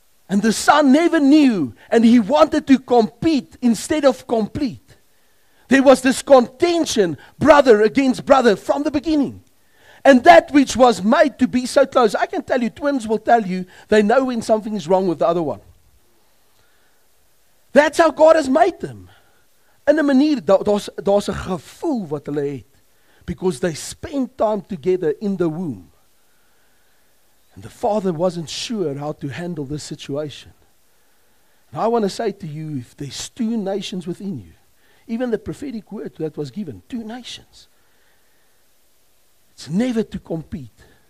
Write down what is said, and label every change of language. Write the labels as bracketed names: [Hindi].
[English] And the son never knew and he wanted to compete instead of complete. There was this contention, brother against brother, from the beginning. And that which was made to be so close. I can tell you, twins will tell you, they know when something is wrong with the other one. That's how God has made them. [Afrikaans] In a manier, daar's 'n gevoel wat hulle het. [English] Because they spend time together in the womb. And the father wasn't sure how to handle this situation. And I want to say to you, if there's two nations within you, even the prophetic word that was given, two nations, it's never to compete.